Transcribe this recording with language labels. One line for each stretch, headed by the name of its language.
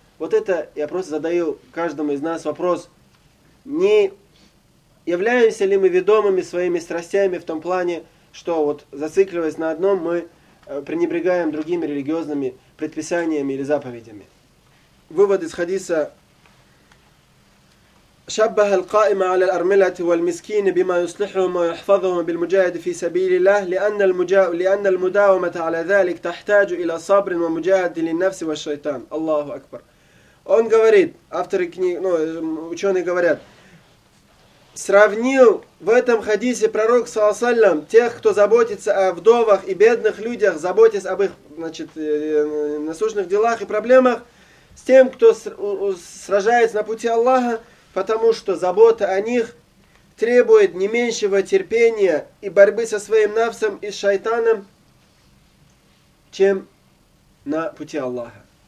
Russian: Вот это я просто задаю каждому из нас вопрос. Не являемся ли мы ведомыми своими страстями в том плане, что вот зацикливаясь на одном, мы пренебрегаем другими религиозными предписаниями или заповедями. Вывод из хадиса.
Arabic: شبه القائم على الأرملة والمسكين بما يصلحهم ويحفظهم بالمجاهد في سبيل الله لأن المداومة على ذلك تحتاج إلى صبر ومجاهد للنفس والشيطان. الله أكبر.
Russian: Он говорит, авторы книги, ну, ученые говорят, сравнил в этом хадисе пророк саллям тех, кто заботится о вдовах и бедных людях, заботясь об их, значит, насущных делах и проблемах, с тем, кто сражается на пути Аллаха, потому что забота о них требует не меньшего терпения и борьбы со своим нафсом и с шайтаном, чем на пути Аллаха.